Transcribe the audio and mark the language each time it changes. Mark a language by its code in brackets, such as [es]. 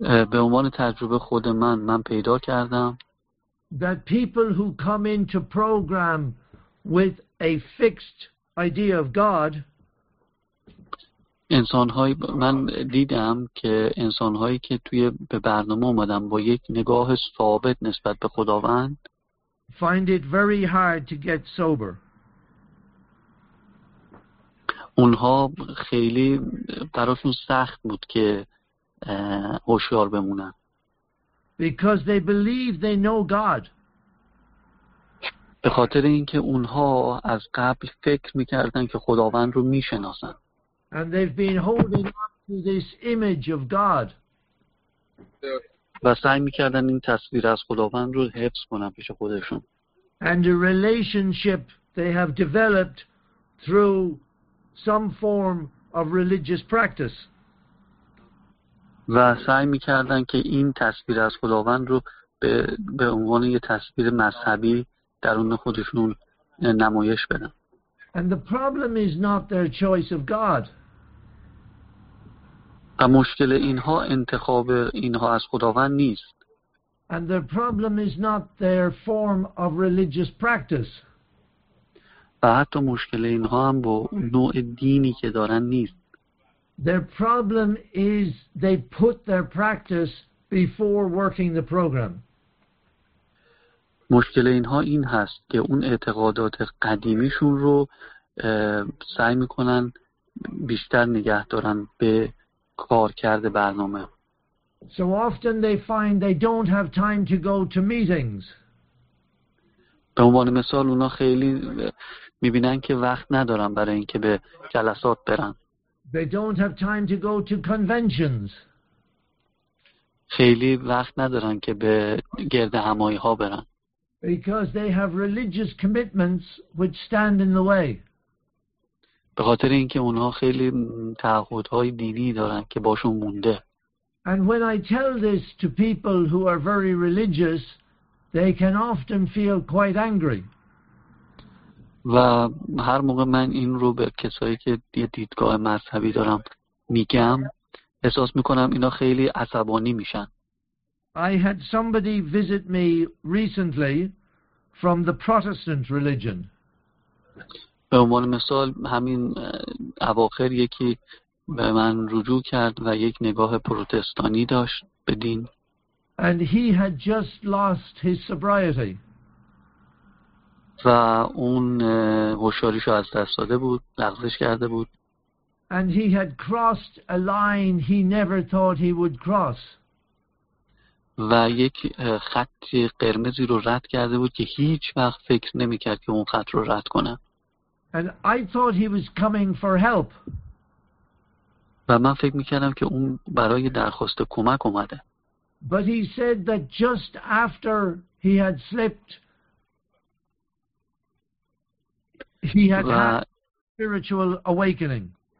[fa] به عنوان تجربه خود من پیدا کردم [en] that people who come into program with a fixed idea of God, [fa] انسان‌های من دیدم که انسان‌هایی که توی به برنامه اومدن با یک نگاه ثابت نسبت به خداوند, [en] find it very hard to get sober. [fa] اونها خیلی براشون سخت بود که هوشیار بمونن. [en] Because they believe they know God. [fa] به خاطر اینکه اونها از قبل فکر میکردن که خداوند رو میشناسن. [en] And they've been holding on to this image of God. [fa] و سعی میکردن این تصویر از خداوند رو حفظ کنن پیش خودشون. [en] And a relationship they have developed through some form of religious practice. [fa] و سعی می‌کردن که این تصویر از خداوند رو به عنوان یه تصویر مذهبی درون خودشون نمایش بدن. [en] And the problem is not their choice of God. [fa] و مشکل اینها انتخاب اینها از خداوند نیست. [en] And the problem is not their form of religious practice. [fa] و حتی مشکل اینها هم با نوع دینی که دارن نیست. [en] Their problem is they put their practice before working the program. [fa] مشکل اینها این هست که اون اعتقادات قدیمیشون رو سعی میکنن بیشتر نگه دارن به کار کرده برنامه. [en] So often they find they don't have time to go to meetings. [fa] به عنوان مثال اونا خیلی میبینن که وقت ندارن برای اینکه به جلسات برن. [en] They don't have time to go to conventions. [fa] خیلی وقت ندارن که به گرد همایی ها برن. [en] Because they have religious commitments which stand in the way. [fa] به خاطر اینکه اونها خیلی تعهدهای دینی دارن که باشون مونده. [en] And when I tell this to people who are very religious, they can often feel quite angry. [fa] و هر موقع من این رو به کسایی که یه دیدگاه مذهبی دارم میگم, احساس میکنم اینا خیلی عصبانی میشن. [en] I had somebody visit me recently from the Protestant religion. [fa] به عنوان مثال همین اواخر یکی به من رجوع کرد و یک نگاه پروتستانی داشت به دین. [en] And he had just lost his sobriety. [fa] و اون هوشیاریشو از دست داده بود، لغزش کرده بود. [en] And he had crossed a line he never thought he would cross. [fa] و یک خط قرمزی رو رد کرده بود که هیچ وقت فکر نمی‌کرد که اون خط رو رد کنه. [en] And I thought he was coming for help. [fa] و من فکر می‌کردم که اون برای درخواست کمک اومده. [en] But he said that just after he had slipped, he had had a spiritual awakening.